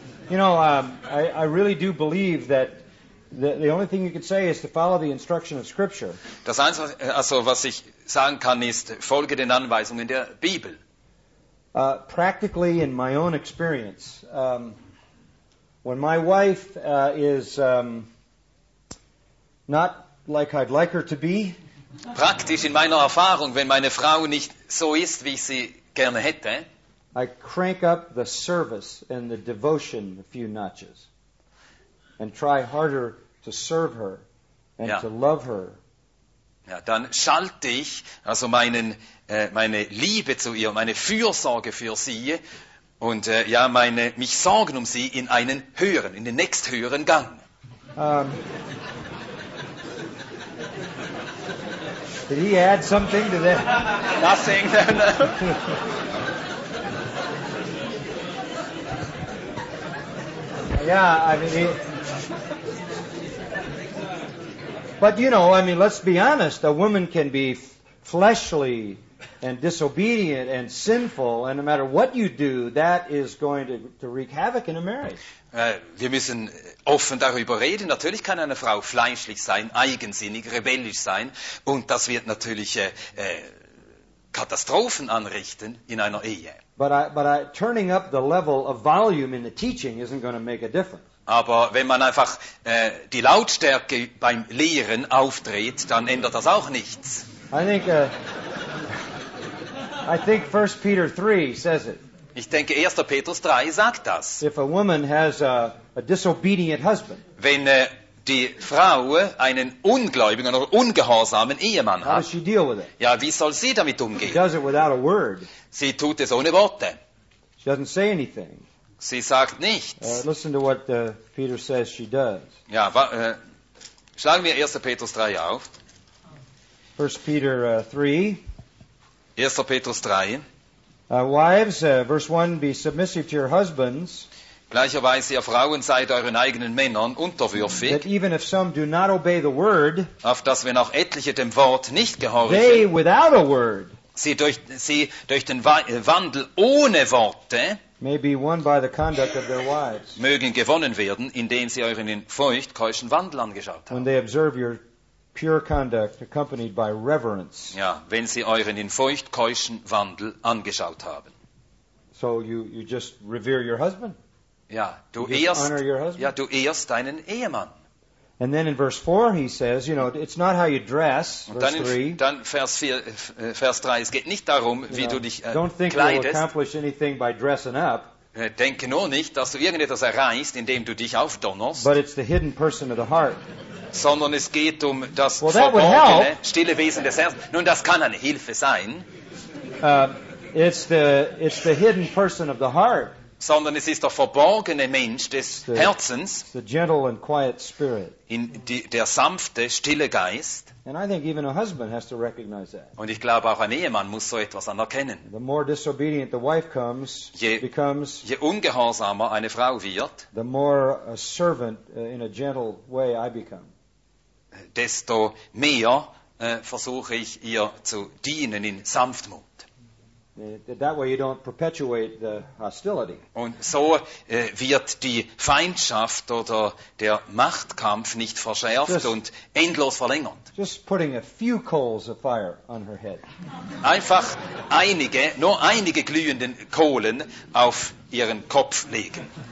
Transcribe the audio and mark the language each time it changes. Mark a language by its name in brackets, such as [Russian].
[English] You know, I really do believe that. The only thing you could say is to follow the instruction of Scripture. [German] Das Einzige, also was ich sagen kann, ist, folge den Anweisungen der Bibel. [English] Practically, in my own experience, when my wife is not like I'd like her to be. [German] Praktisch in meiner Erfahrung, wenn meine Frau nicht so ist, wie ich sie gerne hätte. [English] I crank up the service and the devotion a few notches. And try harder to serve her and to love her. [German] Ja, dann schalte ich also meine Liebe zu ihr, meine Fürsorge für sie und meine mich Sorgen um sie in einen höheren, in den nächsthöheren Gang. [English] Did he add something to that? Nothing. No, no. Yeah, I mean. But you know, I mean, let's be honest. A woman can be fleshly and disobedient and sinful, and no matter what you do, that is going to wreak havoc in a marriage. [German] Wir müssen offen darüber reden. Natürlich kann eine Frau fleischlich sein, eigensinnig, rebellisch sein, und das wird natürlich Katastrophen anrichten in einer Ehe. [English] But turning up the level of volume in the teaching isn't going to make a difference. [German] Aber wenn man einfach die Lautstärke beim Lehren aufdreht, dann ändert das auch nichts. [English] I think 1 Peter 3 says it. [German] Ich denke, 1. Petrus 3 sagt das. [English] If a woman has a disobedient husband, [German] wenn die Frau einen ungläubigen oder ungehorsamen Ehemann hat, [English] how does she deal with it? [German] Ja, wie soll sie damit umgehen? [English] She does it without a word. [German] Sie tut es ohne Worte. [English] She doesn't say anything. [German] Sie sagt nichts. [English] Listen to what Peter says she does. [German] Ja, schlagen wir 1. Petrus 3 auf. 1. Petrus 3. [English] Wives, verse 1, be submissive to your husbands. [German] Gleicherweise, ihr Frauen, seid euren eigenen Männern unterwürfig. [English] That even if some do not obey the word, [German] auf dass wenn auch etliche dem Wort nicht gehorchen, [English] they without a word, [German] sie durch den Wandel ohne Worte, [English] may be won by the conduct of their wives. [German] Mögen gewonnen werden, indem sie euren in Furcht keuschen Wandel angeschaut haben. [English] When they observe your pure conduct accompanied by reverence. [German] Ja, wenn sie euren in Furcht keuschen Wandel angeschaut haben. [English] So you just revere your husband. [German] Ja, du ehrst deinen Ehemann. [English] And then in verse 4 he says, you know, it's not how you dress, verse 3. [German] Dann Vers 3, es geht nicht darum, wie du dich kleidest. [English] Don't think you'll accomplish anything by dressing up. [German] Denke nur nicht, dass du irgendetwas erreichst, indem du dich aufdonnerst. [English] But it's the hidden person of the heart. [German] Sondern es geht um das verborgene, stille Wesen des Herzens. Nun, das kann eine Hilfe sein. [English] It's the hidden person of the heart. [German] Sondern es ist der verborgene Mensch des Herzens. [English] The gentle and quiet spirit. [German] Der sanfte, stille Geist. [English] And I think even a husband has to recognize that. [German] Und ich glaube, auch ein Ehemann muss so etwas anerkennen. [English] The more disobedient the wife comes, becomes, [German] je ungehorsamer eine Frau wird, [English] the more a servant in a gentle way I become. [German] Desto mehr versuche ich ihr zu dienen in Sanftmut. [English] That way you don't perpetuate the hostility. [German] Und so wird die Feindschaft oder der Machtkampf nicht verschärft und endlos verlängert. [English] Just putting a few coals of fire on her head. [German] Einfach nur einige glühenden Kohlen auf ihren Kopf legen.